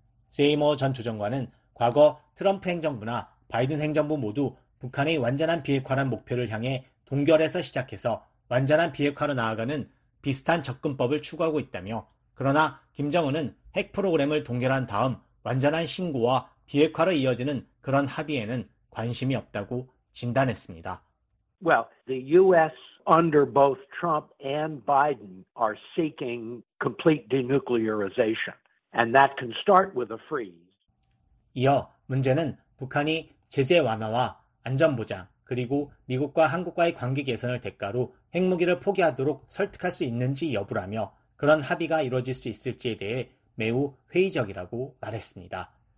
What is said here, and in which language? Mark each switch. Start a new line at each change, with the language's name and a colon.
Korean: 세이머 전 조정관은 과거 트럼프 행정부나 바이든 행정부 모두 북한의 완전한 비핵화란 목표를 향해 동결해서 시작해서 완전한 비핵화로 나아가는 비슷한 접근법을 추구하고 있다며 그러나 김정은은 핵 프로그램을 동결한 다음 완전한 신고와 비핵화로 이어지는 그런 합의에는 관심이 없다고 진단했습니다.
English: Well, the U.S. under both Trump and Biden are seeking complete denuclearization, and that can start with a freeze.
Korean: 이어 문제는 북한이 제재 완화와 안전보장, 그리고 미국과 한국과의 관계 개선을 대가로 핵무기를 포기하도록 설득할 수 있는지 여부라며 그런 합의가 이루어질 수 있을지에 대해 매우 회의적이라고 말했습니다.